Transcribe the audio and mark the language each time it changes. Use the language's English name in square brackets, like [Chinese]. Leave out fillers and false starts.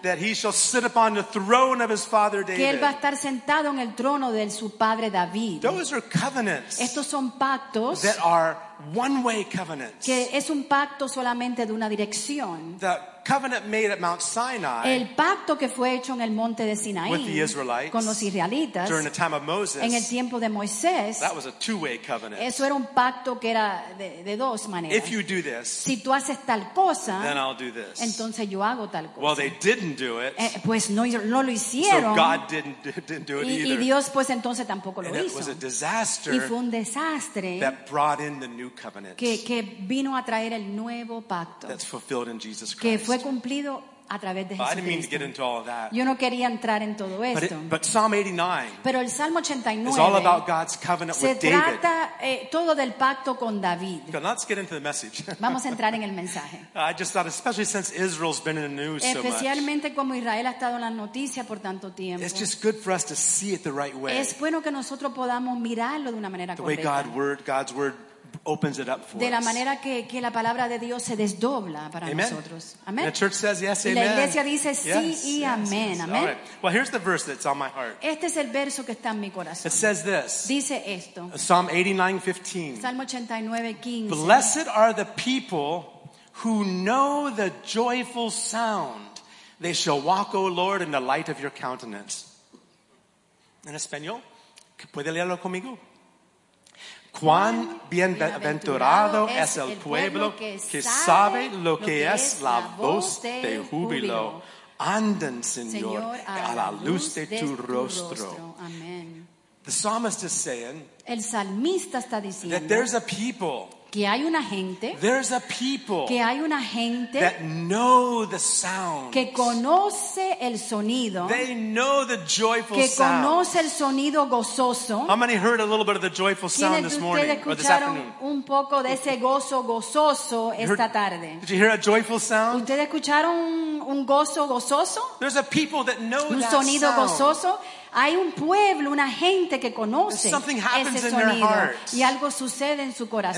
[English] that he shall sit upon the throne of his father David. [Spanish] Que él va a estar sentado en el trono de su padre David. [English] Those are covenants. [Spanish] Estos son pactos. [English] That are one-way covenants. [Spanish] Que es un pacto solamente de una dirección. [English] The covenant made at Mount Sinai. [Spanish] El pacto que fue hecho en el monte de Sinaí. [English] With the Israelites. [Spanish] Con los israelitas. [English] During the time of Moses. [Spanish] En el tiempo de Moisés. [English] That was a two-way covenant. [Spanish] Eso era un pacto que era de dos maneras. [English] If you do this. [Spanish] Si tú haces tal cosa. [English] Then I'll do this. [Spanish] Entonces yo hago tal cosa. [English] Well, they didn't do it. [Spanish] Pues no lo hicieron. [English] So God didn't do it either. [Spanish] Y Dios pues entonces tampoco lo [English] and [Spanish] hizo. [English] It was a disaster. [Spanish] Y fue un desastre. [English] That brought in the new covenant. [Spanish] Que vino a traer el nuevo pacto. [English] That's fulfilled in Jesus Christ. [Spanish] Fue cumplido a través de Jesucristo. Yo no quería entrar en todo esto. [English] But Psalm 89, [Spanish] pero el Salmo 89 [English] is all about God's covenant [Spanish] se [English] with [Spanish] trata [English] David. [Spanish] Todo del pacto con David. [English] Okay, let's get into the message. [Spanish] Vamos a entrar en el mensaje. [English] I just thought, especially since Israel's been in the news [Spanish] especialmente [English] so much, [Spanish] como Israel ha estado en las noticias por tanto tiempo, [English] it's just good for us to see it the right way. [Spanish] Es bueno que nosotros podamos mirarlo de una manera [English] the [Spanish] correcta. [English] Way God's word opens it up for us. [Spanish] De la manera que la palabra de Dios se desdobla para [English] amen. [Spanish] Nosotros. Amen. [English] And the church says yes, amen. [Spanish] La iglesia dice sí [English] yes, [Spanish] y yes, amén. [English] Yes. All right. Well, here's the verse that's on my heart. [Spanish] Este es el verso que está en mi corazón. [English] It says this. [Spanish] Dice esto. [English] Psalm 89:15. [Spanish] Salmo 89:15. [English] Blessed are the people who know the joyful sound. They shall walk, O Lord, in the light of your countenance. [Spanish] En español. ¿Puede leerlo conmigo? Cuán bienaventurado es el pueblo que sabe lo que es la voz de júbilo. Anden, Señor, a la luz de tu rostro. Amen. [English] The psalmist is saying [Spanish] el salmista está diciendo [English] that there's a people. [Spanish] Que hay una gente, [English] there's a people [Spanish] que hay una gente [English] that know the sound, [Spanish] que conoce el sonido, [English] they know the joyful [Spanish] que [English] sound. [Spanish] Conoce el sonido gozoso. [English] How many heard a little bit of the joyful sound this morning or this afternoon? [Spanish] Escucharon un poco de ese gozo gozoso esta tarde. [English] Did you hear a joyful sound? [Spanish] ¿Ustedes escucharon un gozo gozoso? [English] There's a people that know [Spanish] un [English] that [Spanish] sonido [English] sound. [Spanish] Gozoso. Hay un pueblo, una gente que conoce ese sonido y algo sucede en su corazón.